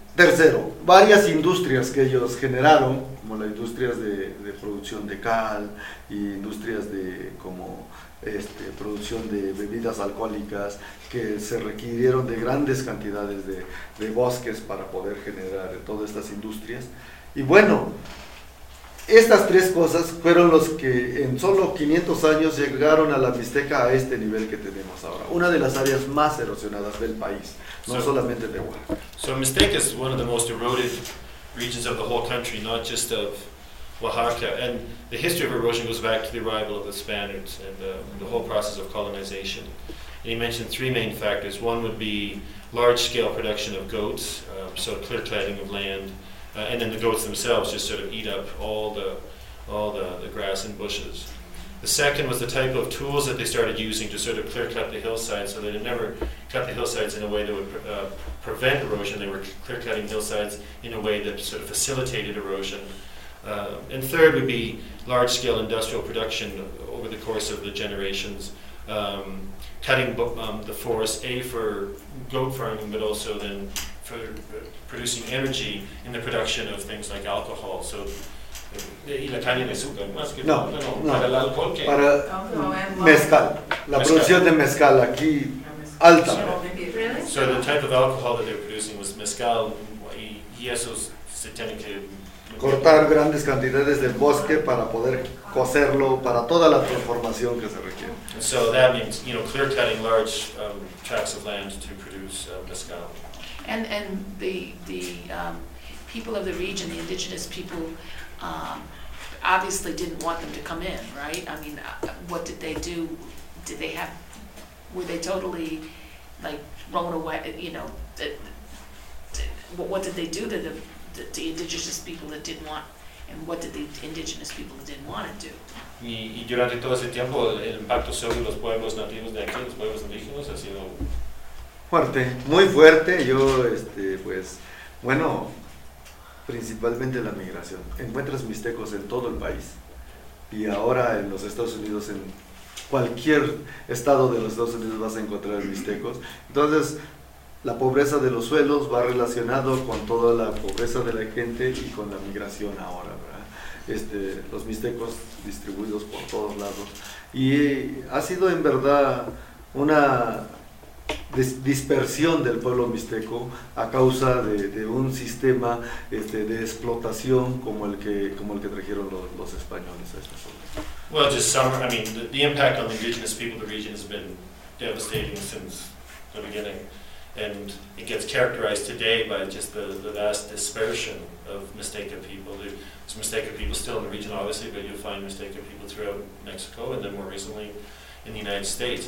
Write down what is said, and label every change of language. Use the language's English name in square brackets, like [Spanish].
[Spanish] Tercero, varias industrias que ellos generaron, como las industrias de producción de cal y industrias de como este, producción de bebidas alcohólicas, que se requirieron de grandes cantidades de bosques para poder generar todas estas industrias. Y bueno, estas tres cosas fueron los que en solo 500 años llegaron a la Mixteca a este nivel que tenemos ahora. Una de las áreas más erosionadas del país, no so, solamente de Oaxaca. [English] So Mixteca is one of the most eroded regions of the whole country, not just of Oaxaca. And the history of erosion goes back to the arrival of the Spaniards and the whole process of colonization. And he mentioned three main factors. One would be large-scale production of goats, so clear-cutting of land. And then the goats themselves just sort of eat up all the grass and bushes. The second was the type of tools that they started using to sort of clear cut the hillsides, so they had never cut the hillsides in a way that would prevent erosion. They were clear cutting hillsides in a way that sort of facilitated erosion. And third would be large scale industrial production over the course of the generations, cutting the forest, A, for goat farming, but also then producing energy in the production of things like alcohol. [Spanish] So, y la caña de azúcar, más que no, para el alcohol, que para mezcal, la mezcal. Producción de mezcal aquí alta. [English] So, really? So the type of alcohol that they were producing was mezcal, [Spanish] y eso se tiene que cortar grandes cantidades del bosque para poder cocerlo para toda la transformación que se requiere. [English] And so that means, you know, clear cutting large tracts of land to produce mezcal. And the people of the region, the indigenous people, obviously didn't want them to come in, right? I mean, what did they do? Did they have? Were they totally like thrown away? You know, what did they do to the indigenous people that didn't want? And what did the indigenous people that didn't want to do? [Spanish] Y durante todo ese tiempo, el impacto sobre los pueblos nativos de aquí, los pueblos indígenas, ha sido fuerte, muy fuerte. Yo, este, pues, bueno, principalmente la migración. Encuentras mixtecos en todo el país. Y ahora en los Estados Unidos, en cualquier estado de los Estados Unidos vas a encontrar mixtecos. Entonces, la pobreza de los suelos va relacionado con toda la pobreza de la gente y con la migración ahora, ¿verdad? Este, los mixtecos distribuidos por todos lados. Y ha sido en verdad una dispersión del pueblo mixteco a causa de un sistema este, de explotación como el que trajeron los españoles a esta zona. [English] Well, just summer, I mean, the impact on the indigenous people of the region has been devastating since the beginning, and it gets characterized today by just the vast dispersion of Mixteca people. There's Mixteca people still in the region, obviously, but you'll find Mixteca people throughout Mexico and then more recently in the United States.